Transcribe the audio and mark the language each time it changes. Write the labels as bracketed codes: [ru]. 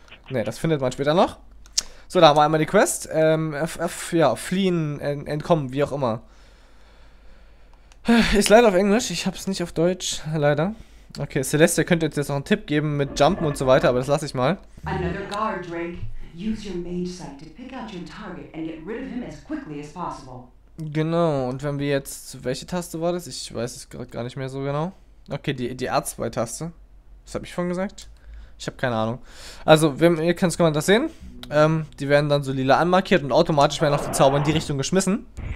[de] Ne, das findet man später noch. So, da haben wir einmal die Quest. Fliehen, entkommen, wie auch immer. Ist leider auf Englisch, ich habe es nicht auf Deutsch, leider. Okay, Celestia könnte jetzt noch einen Tipp geben mit Jumpen und so weiter, aber das lasse ich mal. [en] Another guard drink. Use your mage sight to pick out your target and get rid of him as quickly as possible. [de] Genau, und wenn wir jetzt, welche Taste war das? Ich weiß es gerade gar nicht mehr so genau. Okay, die R2-Taste. Was habe ich vorhin gesagt? Ich habe keine Ahnung. Also, ihr könnt es das sehen. Die werden dann so lila anmarkiert und automatisch werden auch die Zauber in die Richtung geschmissen.